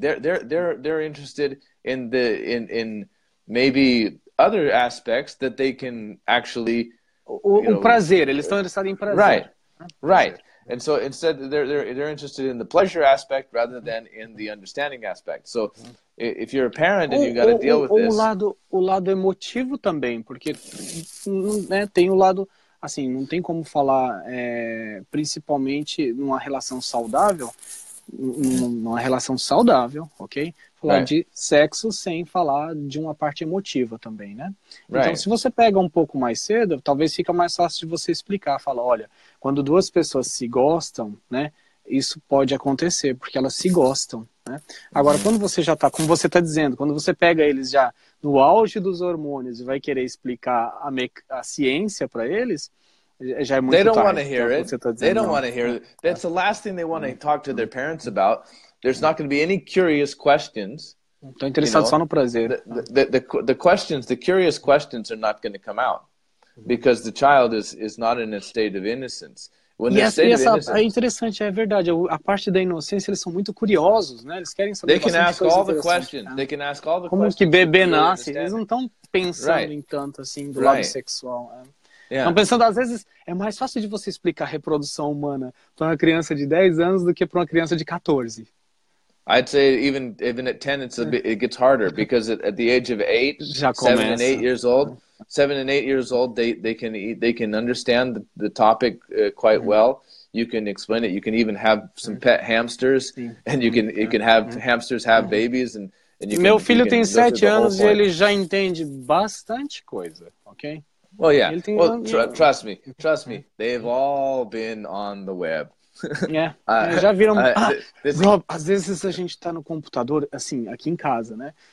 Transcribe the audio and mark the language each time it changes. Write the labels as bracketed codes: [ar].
[en] They're interested in the in maybe other aspects that they can actually. [pt] O prazer. Eles estão interessados em prazer. [en] Right. Right. And so instead, they're interested in the pleasure aspect rather than in the understanding aspect. So, if you're a parent and you got to deal with this. [pt] O lado emotivo também, porque né, tem o lado. Assim, não tem como falar principalmente numa relação saudável, numa relação saudável, ok? Falar right. de sexo sem falar de uma parte emotiva também, né? Right. Então, se você pega um pouco mais cedo, talvez fica mais fácil de você explicar, falar, olha, quando duas pessoas se gostam, né, isso pode acontecer, porque elas se gostam, né? Agora, quando você já tá, como você tá dizendo, quando você pega eles já no auge dos hormônios e vai querer explicar a ciência para eles, já é muito [en] They don't want to hear it. They don't want to hear it. That's the last thing they want to talk to their parents about. There's not going to be any curious questions. [pt] Estou interessado só no prazer. [en] The curious questions are not going to come out because the child is not in a state of innocence. [pt] É interessante, é verdade. A parte da inocência, eles são muito curiosos, né? Eles querem saber. [en] They can ask all the questions. They can ask all the [pt] como [en] questions. [pt] Como que bebê nasce? Eles não estão pensando right. em tanto assim do right. lado sexual. Estão yeah. pensando, às vezes, é mais fácil de você explicar a reprodução humana para uma criança de 10 anos do que para uma criança de 14. [en] I'd say even at 10 it gets harder because at the age of 8, 7 and 8 years old, 7 and 8 years old they can understand the topic quite well. You can explain it. You can even have some pet hamsters and you can have hamsters have babies and you can. [pt] Meu filho tem 7 anos e ele já entende bastante coisa, okay? [en] Well, yeah. Well, trust me. They've all been on the web. [pt] Já viram, Rob, às vezes a gente tá no computador, assim, aqui em casa, né?